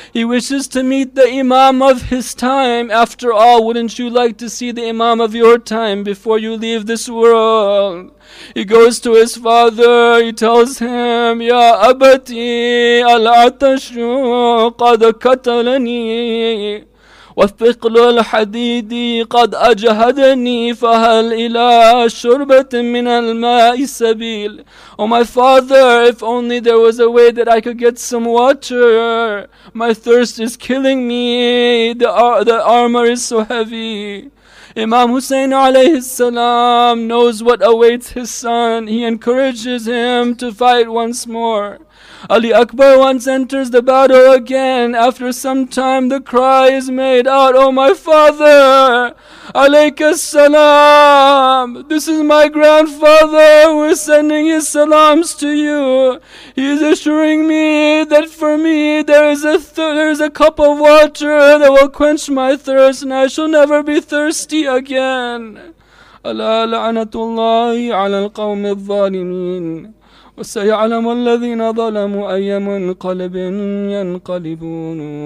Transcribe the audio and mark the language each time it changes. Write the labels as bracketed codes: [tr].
[en] He wishes to meet the Imam of his time. After all, wouldn't you like to see the Imam of your time before you leave this world? He goes to his father, he tells him, [ar] Ya Abati al-Atashu qad katalani. وثقل الحديد قد أجهدني فهل إلى شربة من الماء سبيل. [en] Oh my father, if only there was a way that I could get some water. My thirst is killing me. The armor is so heavy. Imam Hussein alayhi salam knows what awaits his son. He encourages him to fight once more. Ali Akbar once enters the battle again. After some time, the cry is made out, Oh my father, alayka salam. This is my grandfather who is sending his salams to you. He is assuring me that for me there is a cup of water that will quench my thirst and I shall never be thirsty again. [ar] Ala la'anatullahi ala al-qawm al-zalimin. وسيعلم الذين ظلموا أي منقلب ينقلبون.